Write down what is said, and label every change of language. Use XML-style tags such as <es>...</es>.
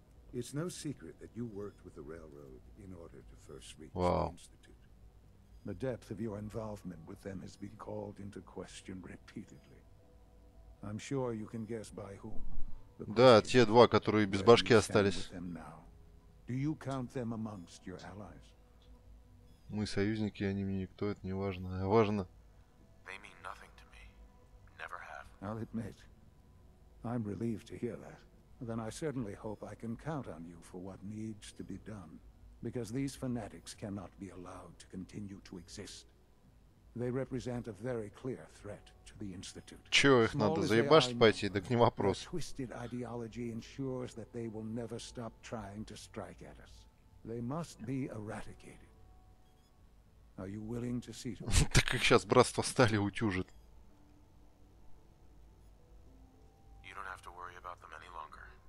<en>It's no secret that you worked with the railroad in order to first reach the Institute. The depth of your involvement with them has been called into question repeatedly. I'm sure you can guess by whom.</en> <ru>Да, те два, которые без башки остались.</ru> <en>Do you count them amongst your allies?</en> <ru>Мы союзники, они мне никто, это не важно. Важно.</ru> <en>They mean nothing to me. Never have. I'll admit, I'm relieved to hear that. Then I certainly hope I can count on you for what needs to be done, because these fanatics cannot be allowed to continue to exist. They represent a very clear threat to the Institute.</en> <ru>Чё, их надо заебашить пойти? Да к ним вопрос.</ru> <en>Twisted ideology ensures that they will never stop trying to strike at us. They must be eradicated. Are you willing to see to it?</en> <ru>Так их сейчас братство стали утюжит.</ru> <en>You don't have to worry about them any longer.</en>